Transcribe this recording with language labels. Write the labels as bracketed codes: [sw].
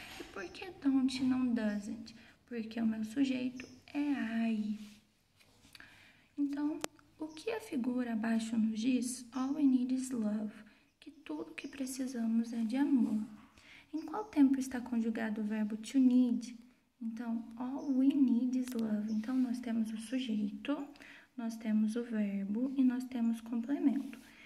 [pt] E por que don't e não doesn't? Porque o meu sujeito é I. Então, o que a figura abaixo nos diz? [en] All we need is love. [pt] Que tudo que precisamos é de amor. Em qual tempo está conjugado o verbo to need? Então, [en] all we need is love. [pt] Então, nós temos o sujeito, nós temos o verbo e nós temos complemento.